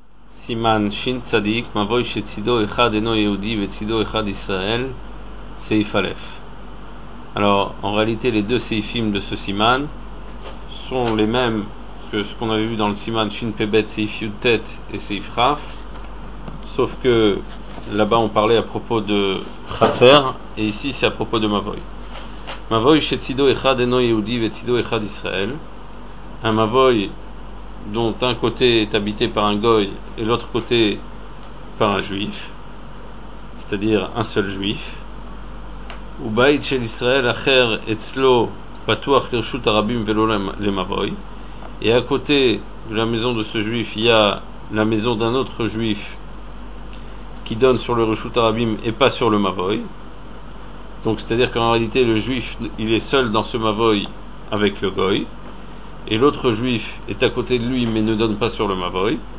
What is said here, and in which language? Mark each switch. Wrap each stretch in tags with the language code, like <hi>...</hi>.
<he>סימן שין צדיק, מבוי שצידו אחד אינו יהודי וצידו אחד ישראל, סעיף א'.</he> <fr>Alors, en réalité, les deux seifim de ce siman sont les mêmes que ce qu'on avait vu dans le siman Shin Pebet, Seif Yud Tet et Seif Raf, sauf que là-bas on parlait à propos de Khatser, et ici c'est à propos de Mavoy.</fr> <he>Mavoy, Shetsido Echad Eno Yehudi, Vetsido Echad Israël.</he> <fr>Un Mavoy dont un côté est habité par un Goy et l'autre côté par un Juif, c'est-à-dire un seul Juif.</fr> <he>ובית של ישראל אחר אצלו פתוח לרשות הרבים ולא למבוי.</he> <fr>Et à côté de la maison de ce juif, il y a la maison d'un autre juif qui donne sur le reshut arabim et pas sur le mavoy. Donc c'est-à-dire qu'en réalité le juif, il est seul dans ce mavoy avec le goy, et l'autre juif est à côté de lui mais ne donne pas sur le mavoy.</fr>